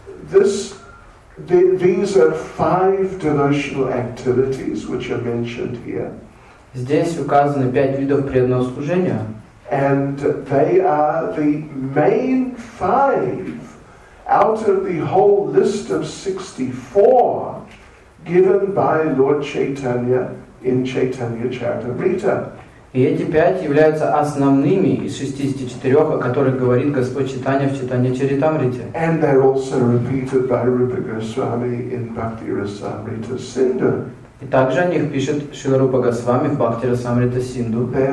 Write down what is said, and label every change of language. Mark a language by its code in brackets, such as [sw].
[en] So these are five devotional activities which are mentioned here. [ru] Здесь указаны пять видов преданного служения. [en] And they are the main five out of the whole list of 64 given by Lord Chaitanya in Chaitanya Charitamrita. [ru] И эти пять являются основными из 64, о которых говорит Господь Читания в Читания Чаритамрите. [en] And they're also repeated by Rupa Goswami in Bhakti Rasamrita Sindhu. [ru] И также о них пишет Шрила Рупа Госвами в Бхакти Расамрита Синду.